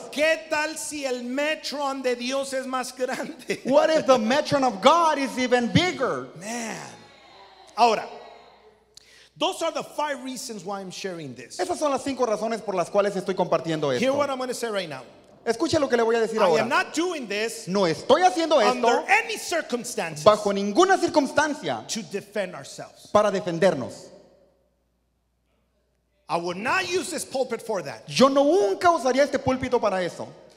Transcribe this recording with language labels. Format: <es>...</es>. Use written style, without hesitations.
<es>¿Qué tal si el metron de Dios es más grande?</es> <en>What if the metron of God is even bigger? Man. Ahora, those are the five reasons why I'm sharing this.</en> <es>Esas son las cinco razones por las cuales estoy compartiendo esto.</es> <en>Hear what I'm going to say right now.</en> <es>Escuche lo que le voy a decir</es> <en>I</en> <es>ahora.</es> <en>I am not doing this.</en> <es>No estoy haciendo</es> <en>under</en> <es>esto.</es> <en>Under any circumstances.</en> <es>Bajo ninguna circunstancia.</es> <en>To defend ourselves.</en> <es>Para defendernos.</es> <en>I would not use this pulpit for that.</en> <es>Yo nunca usaría este púlpito para eso.</es>